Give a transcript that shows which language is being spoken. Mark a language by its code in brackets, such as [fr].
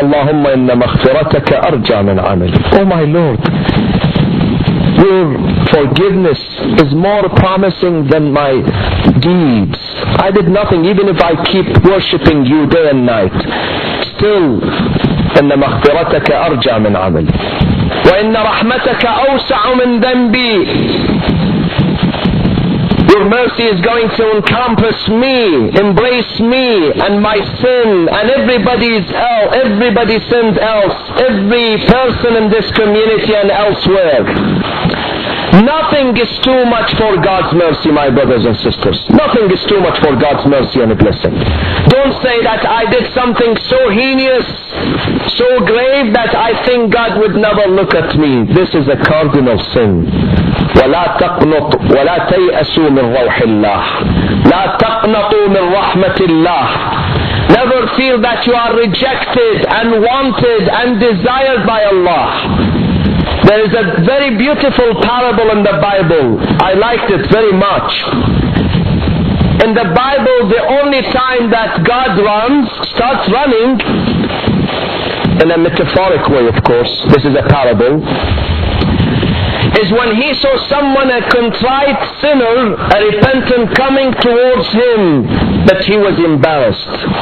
[ar] اللهم إن مغفرتك أرجى من عملي. [en] Oh my Lord, your forgiveness is more promising than my deeds. I did nothing, even if I keep worshipping you day and night. Still, [ar] إن مغفرتك أرجى من عملي. وإن رحمتك أوسع من ذنبي. [en] Your mercy is going to encompass me, embrace me and my sin and everybody's sins else, every person in this community and elsewhere. Nothing is too much for God's mercy, my brothers and sisters. Nothing is too much for God's mercy and a blessing. Don't say that I did something so heinous, so grave that I think God would never look at me. This is a cardinal sin. [ar] ولا تقنط ولا تيأسوا من روح الله لا تقنطوا من رحمة الله. [en] Never feel that you are rejected and wanted and desired by Allah. There is a very beautiful parable in the Bible. I liked it very much. In the Bible, the only time that God runs, starts running, in a metaphoric way, of course, this is a parable, is when he saw someone, a contrite sinner, a repentant, coming towards him, but he was embarrassed.